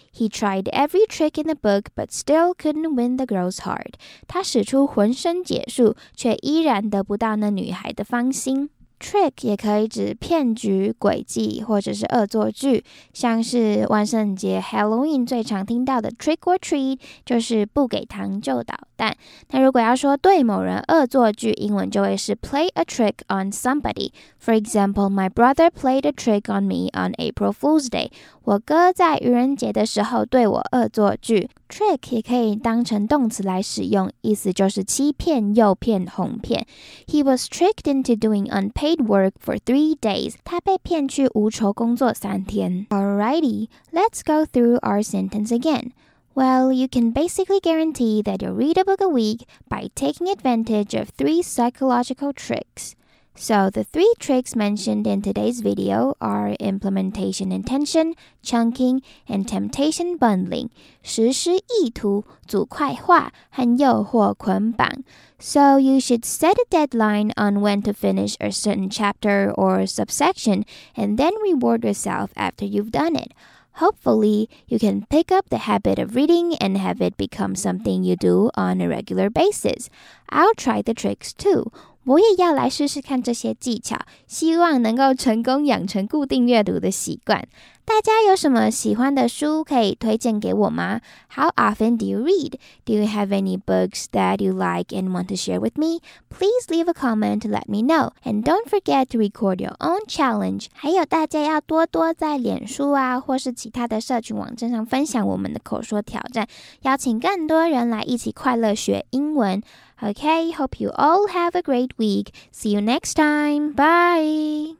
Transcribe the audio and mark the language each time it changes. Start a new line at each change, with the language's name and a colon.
English: He tried every trick in the book, but still couldn't win the girl's heart.
Chinese: 他使出浑身解数，却依然得不到那女孩的芳心。 Trick 也可以指骗局、诡计或者是恶作剧，像是万圣节 Halloween 最常听到的 Trick or Treat 就是不给糖就捣蛋。那如果要说对某人恶作剧，英文就会是
English: Play a trick on somebody. For example, my brother played a trick on me on April Fool's Day.
Chinese: 我哥在愚人节的时候对我恶作剧。 Trick 也可以当成动词来使用，意思就是欺骗、诱骗、哄骗。
English: He was tricked into doing unpaid work for 3 days.
Chinese: 他被骗去无酬工作三天。
English: Alrighty, let's go through our sentence again. Well, you can basically guarantee that you'll read a book a week by taking advantage of 3 psychological tricks. So the 3 tricks mentioned in today's video are implementation intention, chunking, and temptation bundling.
Chinese: 实施意图、组块化和诱惑捆绑。
English: So you should set a deadline on when to finish a certain chapter or subsection and then reward yourself after you've done it. Hopefully, you can pick up the habit of reading and have it become something you do on a regular basis. I'll try the tricks too.
Chinese: 我也要来试试看这些技巧，希望能够成功养成固定阅读的习惯。大家有什么喜欢的书可以推荐给我吗？
English: How often do you read? Do you have any books that you like and want to share with me? Please leave a comment to let me know. And don't forget to record your own challenge.
Chinese: 还有大家要多多在脸书啊，或是其他的社群网站上分享我们的口说挑战，邀请更多人来一起快乐学英文。
English: Okay, hope you all have a great week. See you next time. Bye!